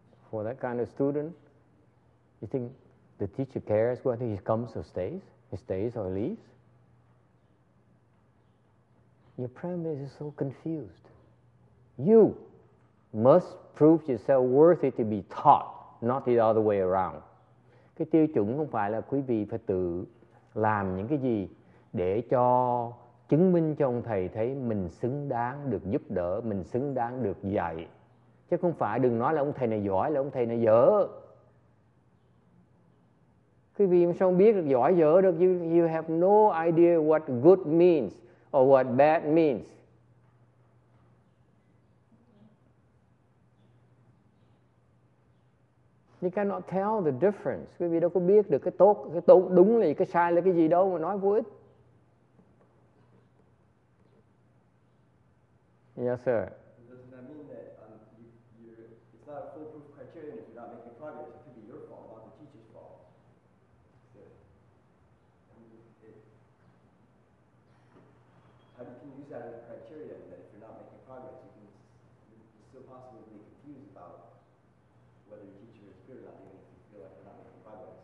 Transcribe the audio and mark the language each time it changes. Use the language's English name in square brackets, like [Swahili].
[English] For that kind of student, you think the teacher cares whether he comes or stays? He stays or leaves? Your premise is so confused. You must prove yourself worthy to be taught. Not the other way around. [Vietnamese] Cái tiêu chuẩn không phải là quý vị phải tự làm những cái gì để cho chứng minh cho ông thầy thấy mình xứng đáng được giúp đỡ, mình xứng đáng được dạy. Chứ không phải đừng nói là ông thầy này giỏi, là ông thầy này dở. Quý vị sao không biết được giỏi dở được? [English] You have no idea what good means or what bad means. You cannot tell the difference. [Vietnamese] Quý vị đâu có biết được cái tốt, cái tốt đúng là gì, cái sai là cái gì đâu mà nói vô ích. [English] Yes, sir. Doesn't that mean that it's not a foolproof criterion if you're not making progress? It could be your fault, not the teacher's fault. How can you use that as a criterion that if you're not making progress, you can still possibly be confused about whether your teacher is good or not, even if you feel like you're not making progress?